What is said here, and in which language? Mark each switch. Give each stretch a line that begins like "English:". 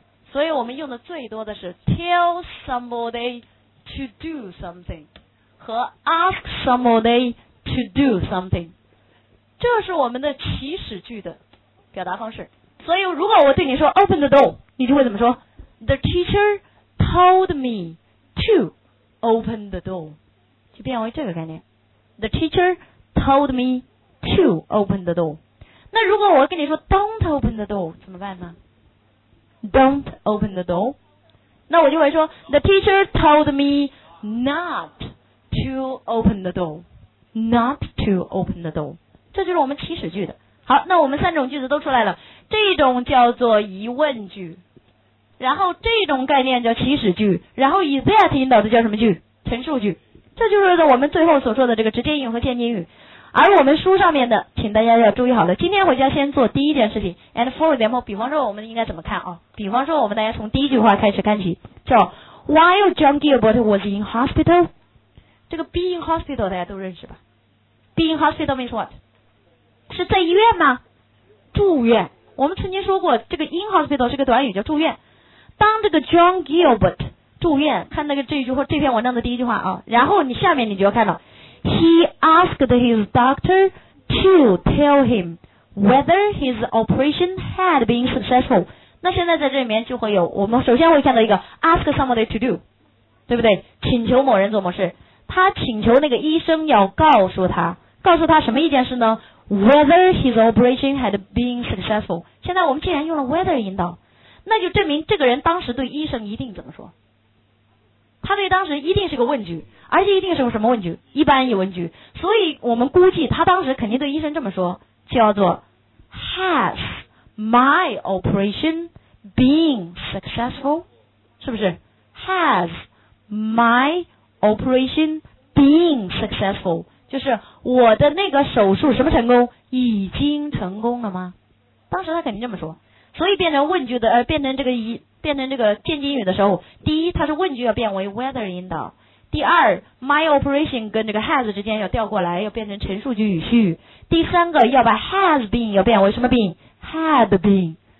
Chinese: 所以我们用的最多的是
English: tell somebody to do something
Chinese: 和
English: ask somebody to do something，
Chinese: 这是我们的祈使句的表达方式。所以如果我对你说
English: open the door，
Chinese: 你就会怎么说？
English: the teacher told me to open the door，
Chinese: 就变为这个概念，
English: the teacher told me to open the door。
Chinese: 那如果我跟你说
English: don't open the door
Chinese: 怎么办呢？
English: don't open the door，
Chinese: 那我就会说
English: the teacher told me not to open the door， not to open the door，
Chinese: 这就是我们祈使句的。好，那我们三种句子都出来了，这种叫做疑问句，然后这种概念叫祈使句，然后以 that 引导的叫什么句？陈述句。这就是我们最后所说的这个直接引语和间接引语。而我们书上面的请大家要注意好了，今天回家先做第一件事情。
English: And for example，
Chinese: 比方说我们应该怎么看啊？比方说我们大家从第一句话开始看起，叫
English: While John Gilbert was in hospital，
Chinese: 这个
English: be in hospital
Chinese: 大家都认识吧？
English: be in hospital means what？
Chinese: 是在医院吗？住院。我们曾经说过这个
English: in hospital
Chinese: 是个短语叫住院。当这个 John Gilbert 住院，看那个这一句或这篇文章的第一句话啊，然后你下面你就要看到
English: He asked his doctor to tell him whether his operation had been successful。
Chinese: 那现在在这里面就会有，我们首先会看到一个
English: ask somebody to do，
Chinese: 对不对？请求某人做某事。他请求那个医生要告诉他，告诉他什么一件事呢？
English: whether his operation had been successful。
Chinese: 现在我们既然用了 whether 引导，那就证明这个人当时对医生一定怎么说，他对当时一定是个问句，而且一定是什么问句？一般疑问句。所以我们估计他当时肯定对医生这么说，叫做
English: Has my operation been successful？
Chinese: 是不是
English: Has my operation been successful？
Chinese: 就是我的那个手术什么成功？已经成功了吗？当时他肯定这么说。所以变成问句的变成这个疑变成这个间接语的时候，第一它是问句要变为 whether 引导，第二
English: my operation
Chinese: 跟这个 has 之间要调过来，要变成陈述句语序，第三个要把
English: has been
Chinese: 要变为什么 been，
English: had been，